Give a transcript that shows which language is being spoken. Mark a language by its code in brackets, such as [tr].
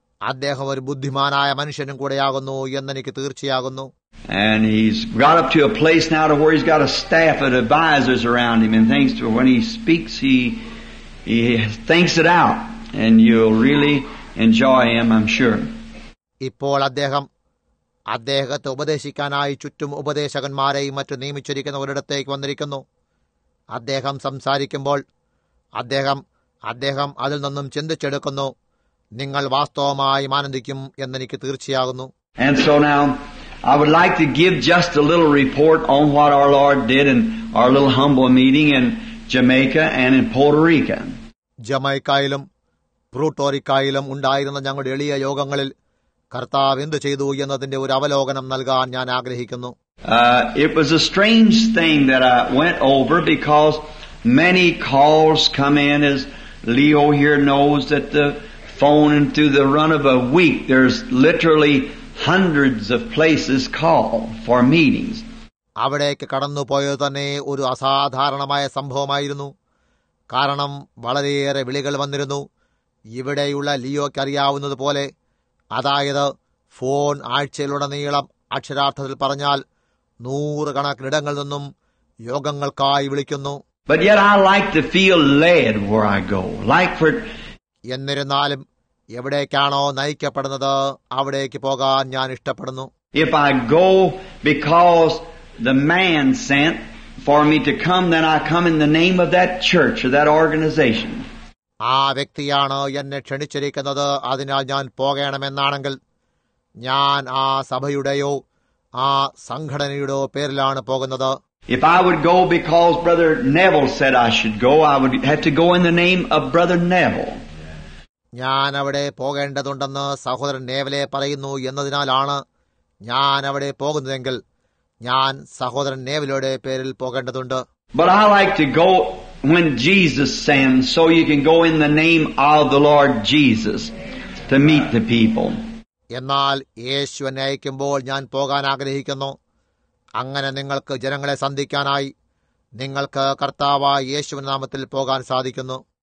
[ml] അദ്ദേഹം ഒരു ബുദ്ധിമാനായ മനുഷ്യനും കൂടെയാകുന്നു എന്നെനിക്ക് തീർച്ചയാകുന്നു. [en] And he's got up to a place now to where he's got a staff of advisors around him, and thanks to when he speaks, he thinks it out, and you'll really enjoy him, I'm sure. [ml] ഇപ്പോൾ അദ്ദേഹത്തെ ഉപദേശിക്കാനായി ചുറ്റും ഉപദേശകന്മാരെയും മറ്റു നിയമിച്ചിരിക്കുന്ന ഒരിടത്തേക്ക് വന്നിരിക്കുന്നു. അദ്ദേഹം സംസാരിക്കുമ്പോൾ അദ്ദേഹം അതിൽ നിന്നും ചിന്തിച്ചെടുക്കുന്നു. നിങ്ങൾ വാസ്തവമായി ആനന്ദിക്കും എന്നെനിക്ക് തീർച്ചയാകുന്നു. [en] And so now I would like to give just a little report on what our Lord did in our little humble meeting in Jamaica and in Puerto Rico. [ml] ജമൈക്കയിലും പ്രൂട്ടോറിക്കയിലും ഉണ്ടായിരുന്ന ഞങ്ങളുടെ എളിയ യോഗങ്ങളിൽ കർത്താവ് എന്ത് ചെയ്തു എന്നതിന്റെ ഒരു അവലോകനം നൽകാൻ ഞാൻ ആഗ്രഹിക്കുന്നു. [en] It was a strange thing that I went over because many calls come in, as Leo here knows, that the phone, and through the run of a week there's literally hundreds of places called for meetings. [ml] അവിടേക്ക് കടന്നു പോയത് തന്നെ ഒരു അസാധാരണമായ സംഭവമായിരുന്നു. കാരണം വളരെയേറെ വിളികൾ വന്നിരുന്നു. ഇവിടെയുള്ള ലിയോയ്ക്ക് അറിയാവുന്നതുപോലെ, അതായത് ഫോൺ ആഴ്ചയിലുടനീളം അക്ഷരാർത്ഥത്തിൽ പറഞ്ഞാൽ 100 കണക്കിനിടങ്ങളിൽ നിന്നും യോഗങ്ങൾക്കായി വിളിക്കുന്നു. [en] But yet I like to feel led where I go. Like for... [ml] എന്നിരുന്നാലും എവിടേക്കാണോ നയിക്കപ്പെടുന്നത് അവിടേക്ക് പോകാൻ ഞാൻ ഇഷ്ടപ്പെടുന്നു. [en] If I go because the man sent for me to come, then I come in the name of that church or that organization. [ml] ആ വ്യക്തിയാണ് എന്നെ ക്ഷണിച്ചിരിക്കുന്നത്, അതിനാൽ ഞാൻ പോകണമെന്നാണെങ്കിൽ ഞാൻ ആ സഭയുടെയോ ആ സംഘടനയുടെയോ പേരിലാണ് പോകുന്നത്. [en] If I would go because Brother Neville said I should go, I would have to go in the name of Brother Neville. [ml] ഞാൻ അവിടെ പോകേണ്ടതുണ്ടെന്ന് സഹോദരൻ നേവലെ പറയുന്നു എന്നതിനാലാണ് ഞാൻ അവിടെ പോകുന്നതെങ്കിൽ ഞാൻ സഹോദരൻ നേവലയുടെ പേരിൽ പോകേണ്ടതുണ്ട്. [en] But I like to go when Jesus sends, so you can go in the name of the Lord Jesus to meet the people. [ml] എന്നാൽ യേശു എന്നെ അയക്കുമ്പോൾ ഞാൻ പോകാൻ ആഗ്രഹിക്കുന്നു. അങ്ങനെ നിങ്ങൾക്ക് ജനങ്ങളെ സന്ദിക്കാനായി നിങ്ങൾക്ക് കർത്താവായ യേശുവിന്റെ നാമത്തിൽ പോകാൻ സാധിക്കുന്നു.